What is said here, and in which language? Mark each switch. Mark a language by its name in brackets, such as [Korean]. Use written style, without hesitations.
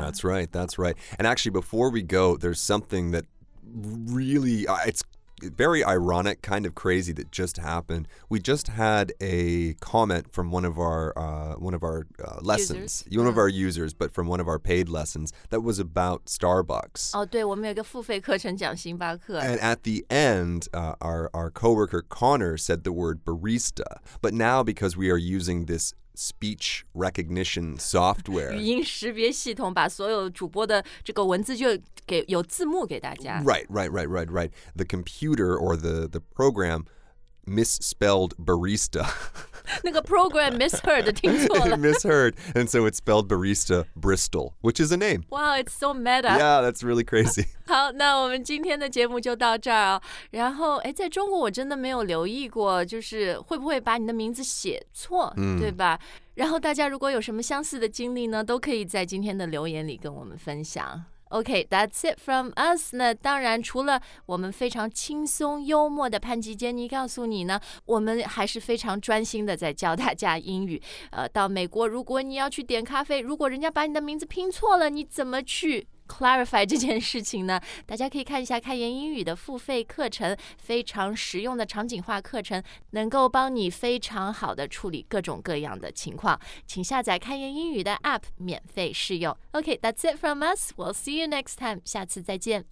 [English] That's right, that's right. And actually, before we go, there's something that really it's. Very ironic, kind of crazy that just happened. We just had a comment from one of our lessons, users. One of our users, but from one of our paid lessons that was about Starbucks. [Chinese] Oh, 对，我们有一个付费课程讲星巴克。 [English] And at the end, our coworker Connor said the word barista, but now because we are using this. Speech recognition software. [Chinese] 语音识别系统把所有主播的这个文字就给有字幕给大家。 [English] Right, right, right, right, right. The computer or the program misspelled barista. [Chinese] 那个 [English] program misheard, [Chinese] 听错了。 [English] It misheard, and so it spelled barista Bristol, which is a name. Wow, it's so meta. Yeah, that's really crazy. [Chinese] 好，那我们今天的节目就到这儿啊。然后，哎，在中国我真的没有留意过，就是会不会把你的名字写错，对吧？然后大家如果有什么相似的经历呢，都可以在今天的留言里跟我们分享。 [English] Okay, that's it from us. [Chinese] 那当然除了我们非常轻松幽默的潘吉坚尼告诉你呢，我们还是非常专心的在教大家英语。到美国如果你要去点咖啡，如果人家把你的名字拼错了，你怎么去clarify 这件事情呢？大家可以看一下开言英语的付费课程，非常实用的场景化课程，能够帮你非常好的处理各种各样的情况。请下载开言英语的 app 免费试用。 [English] OK, that's it from us. We'll see you next time. [Chinese] 下次再见。